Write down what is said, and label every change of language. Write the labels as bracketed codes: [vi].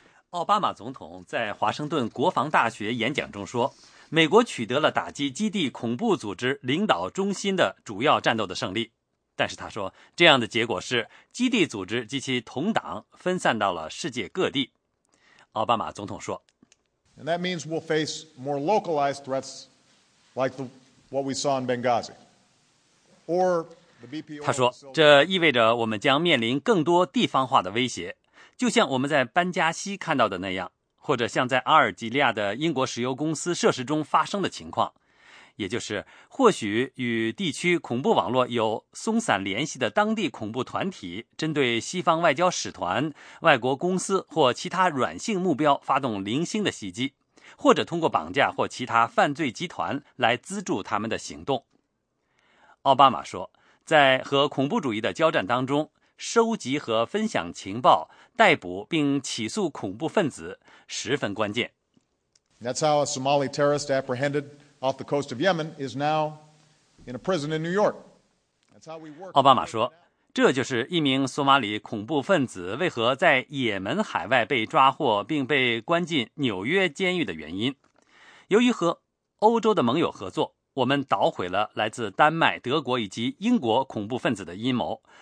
[zh] 奥巴马总统在华盛顿国防大学演讲中说，美国取得了打击基地恐怖组织领导中心的主要战斗的胜利，但是他说，这样的结果是基地组织及其同党分散到了世界各地。奥巴马总统说 [en] ，And that means we'll face more localized threats like what we saw in Benghazi, or the BPO. [zh] 他说，这意味着我们将面临更多地方化的威胁，就像我们在班加西看到的那样。或者像在阿尔及利亚的英国石油公司设施中发生的情况，也就是或许与地区恐怖网络有松散联系的当地恐怖团体针对西方外交使团、外国公司或其他软性目标发动零星的袭击，或者通过绑架或其他犯罪集团来资助他们的行动。奥巴马说，在和恐怖主义的交战当中，收集和分享情报、逮捕并起诉恐怖分子十分关键。 [en] That's how a Somali terrorist apprehended off the coast of Yemen is now in a prison in New York. [zh] 奥巴马说，这就是一名索马里恐怖分子为何在也门海外被抓获并被关进纽约监狱的原因。由于和欧洲的盟友合作，我们捣毁了来自丹麦、德国以及英国恐怖分子的阴谋。